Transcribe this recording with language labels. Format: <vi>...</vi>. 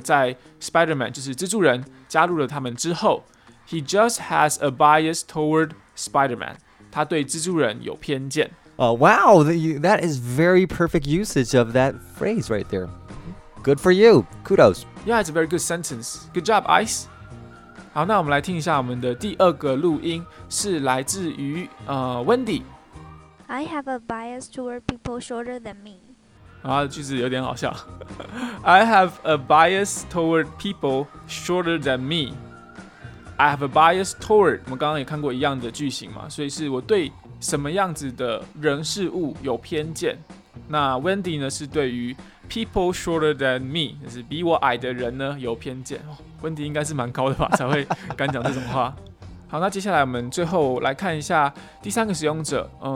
<zh>在 Spider-Man, 就是蜘蛛人加入了他们之后</zh> <en>He just has a bias toward Spider-Man.</en> <zh>他对蜘蛛人有偏见。</zh> <en>Wow, that is very perfect usage of that phrase right there. Good for you. Kudos. Yeah, it's a very good sentence. Good job, Ice.</en> <zh>好，那我们来听一下我们的第二个录音，是来自于Wendy.</zh> <en>I have a bias toward people shorter than me.</en> <zh>啊，句子有点好笑。</zh> <en>I have a bias toward people shorter than me. I have a bias toward.</en> <zh>我们刚刚也看过一样的句型嘛，所以是我对什么样子的人事物有偏见。那 Wendy 呢，是对于</zh> <en>people shorter than me，</en> <zh>就是比我矮的人呢有偏见。温迪应该是蛮高的吧，才会敢讲这种话。好，那接下来我们最后来看一下第三个使用者。</zh>